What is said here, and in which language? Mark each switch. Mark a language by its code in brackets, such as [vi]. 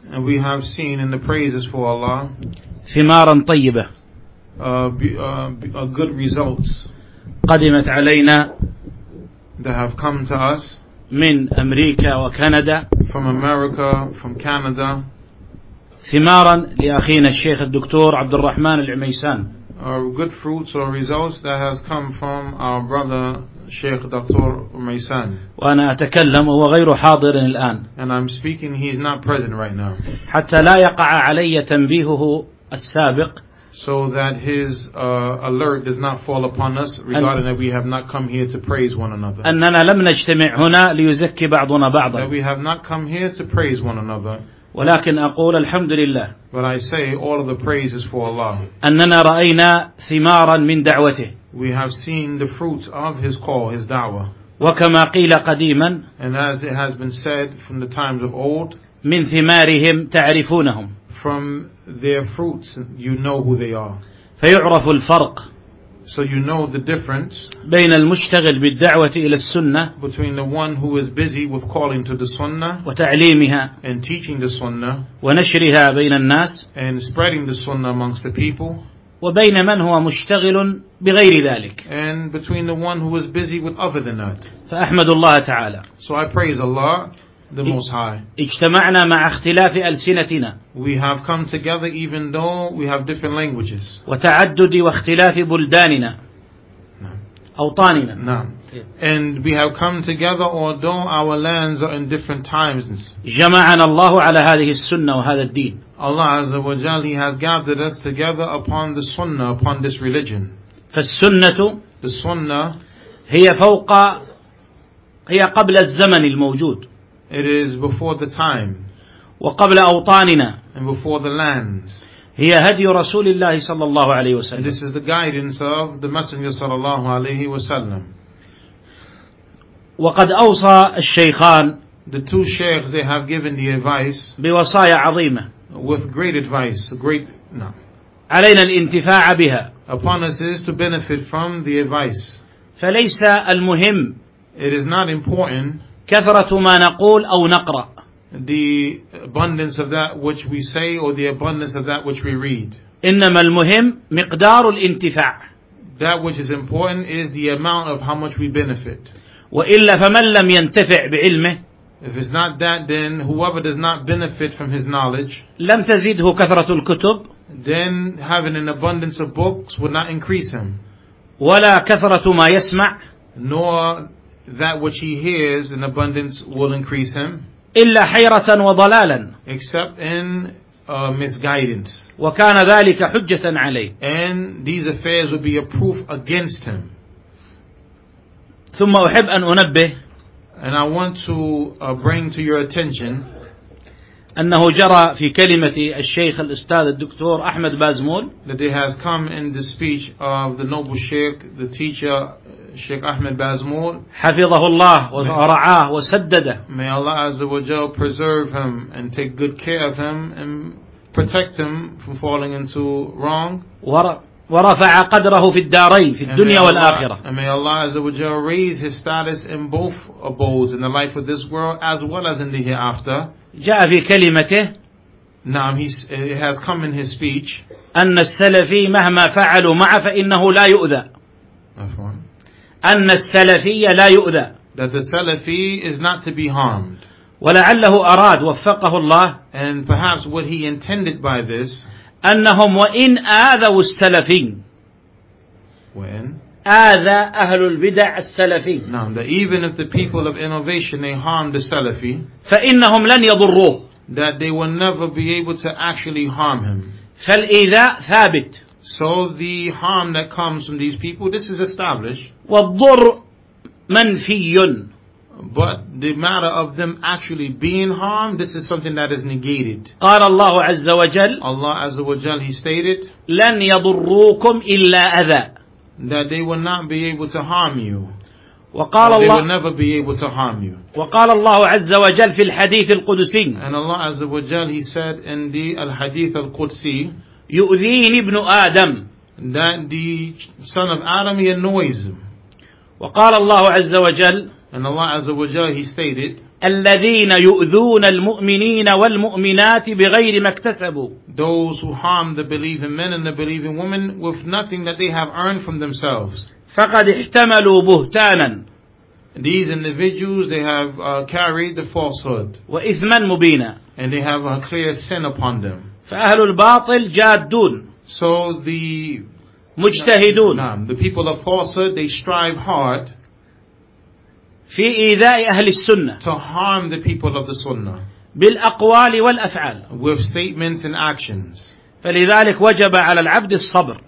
[en] And we have seen in the praises for Allah. [ar] ثمارا طيبة. [en] Good results. [ar] قدمت علينا. [en] They have come to us. [ar] من أمريكا وكندا. [en] From America, from Canada. [ar] ثمارا لأخينا الشيخ الدكتور عبد الرحمن العميسان. [en] Good fruits or results that has come from our brother Sheikh Dr. Umaysan. [ar] وأنا أتكلم وهو غير حاضر الآن. [en] And I'm speaking, he's not present right now. [ar] حتى لا يقع علي تنبيهه السابق. [en] So that his alert does not fall upon us regarding that we have not come here to praise one another. [ar] أننا لم نجتمع هنا ليزكي بعضنا بعضا. [en] That we have not come here to praise one another. [ar] ولكن أقول الحمد لله. [en] But I say all of the praises for Allah. [ar] أننا رأينا ثمارا من دعوته. [en] We have seen the fruits of his call, his da'wah. [ar] وكما قيل قديما. [en] And as it has been said from the times of old. [ar] من ثمارهم تعرفونهم. [en] From their fruits, you know who they are. [ar] فيعرف الفرق. [en] So you know the difference. [ar] بين المشتغل بالدعوة إلى السنة. [en] Between the one who is busy with calling to the sunnah. [ar] وتعليمها. [en] And teaching the sunnah. [ar] ونشرها بين الناس. [en] And spreading the sunnah amongst the people. [ar] وبين من هو مشتغل بغير ذلك. [en] And between the one who is busy with other than that. [ar] فأحمد الله تعالى. [en] So I praise Allah. The Most High. [ar] اجتمعنا مع اختلاف ألسنتنا. [en] We have come together even though we have different languages. [ar] وتعدد واختلاف بلداننا. أوطاننا. [en] And we have come together although our lands are in different times. [ar] جمعنا الله على هذه السنة وهذا الدين. [en] Allah Azza wa Jalla, He has gathered us together upon the Sunnah, upon this religion. [ar] فالسنة. [en] The Sunnah. [ar] هي فوق. هي قبل الزمن الموجود. [en] It is before the time. [ar] وقبل أوطاننا. [en] And before the lands. [ar] هي هدي رسول الله صلى الله عليه وسلم. [en] And this is the guidance of the Messenger [ar] صلى الله عليه وسلم. وقد أوصى الشيخان. [en] The two sheikhs, they have given the advice. [ar] بوصايا عظيمة. [en] With great advice. Great. No. [ar] علينا الانتفاع بها. [en] Upon us is to benefit from the advice. [ar] فليس المهم. [en] It is not important. [ar] كثرة ما نقول أو نقرأ. [en] The abundance of that which we say or the abundance of that which we read. [ar] إنما المهم مقدار الانتفاع. [en] That which is important is the amount of how much we benefit. [ar] وإلا فمن لم ينتفع بعلمه. [en] If it's not that, then whoever does not benefit from his knowledge. [ar] لم تزيده كثرة الكتب. [en] Then having an abundance of books would not increase him. [ar] ولا كثرة ما يسمع. [en] Nor that which he hears in abundance will increase him. [ar] إلا حيرة وضلالا. [en] Except in misguidance. [ar] وكان ذلك حجة عليه. [en] And these affairs will be a proof against him. [ar] ثم أحب أن أنبه. [en] And I want to bring to your attention. [ar] أنه جرى في كلمة الشيخ الأستاذ الدكتور أحمد بازمول. [en] That it has come in the speech of the noble Sheikh, the teacher, Sheikh Ahmed Bazmul. [ar] حفظه الله ورعاه وسدده. [en] May Allah Azza wa Jal preserve him and take good care of him and protect him from falling into wrong. [ar] ورفع قدره في الدارين في الدنيا والآخرة. [en] And may Allah Azza wa Jal raise his status in both abodes, in the life of this world as well as in the hereafter. [ar] جاء في كلمته. [en] نعم, he has come in his speech. [ar] أن السلفي مهما فعلوا معه فإنه لا يؤذى. أن السلفي لا يؤذى. [en] That the Salafi is not to be harmed. [ar] ولعله أراد وفقه الله. [en] And perhaps what he intended by this. [ar] أنهم وإن آذوا السلفي. وإن آذى أهل البدع السلفي. [en] نعم, that even if the people of innovation they harm the Salafi. [ar] فإنهم لن يضروه. [en] That they will never be able to actually harm him. [ar] فالإذاء ثابت. [en] So the harm that comes from these people, this is established. [ar] والضر منفي. [en] But the matter of them actually being harmed, this is something that is negated. [ar] قال الله عز وجل. [en] Allah Azza wa Jal, he stated. [ar] لن يضروكم إلا أذى. [en] That they will not be able to harm you. [ar] وقال [en] they They will never be able to harm you. [ar] وقال الله عز وجل في الحديث القدسي. [en] And Allah Azza wa Jal, he said in the al-hadith al-Qudsi. [ar] يؤذيني ابن آدم. [en] That the son of Adam he annoys him. [ar] وقال الله عز وجل. [en] And Allah Azza wa Jalla he stated. [ar] الذين يؤذون المؤمنين والمؤمنات بغير ما اكتسبوا. [en] Those who harm the believing men and the believing women with nothing that they have earned from themselves. [ar] فقد احتملوا بهتانا. [en] These individuals they have carried the falsehood. [ar] وإثما مبينا. [en] And they have a clear sin upon them. [ar] فأهل الباطل جادون. [en] So the [ar] مجتهدون. [en] نعم, the people of falsehood they strive hard [ar] في إيذاء أهل السنة. [en] To harm the people of the sunnah. [ar] بالأقوال والأفعال. [en] With statements and actions. [ar] فلذلك وجب على العبد الصبر.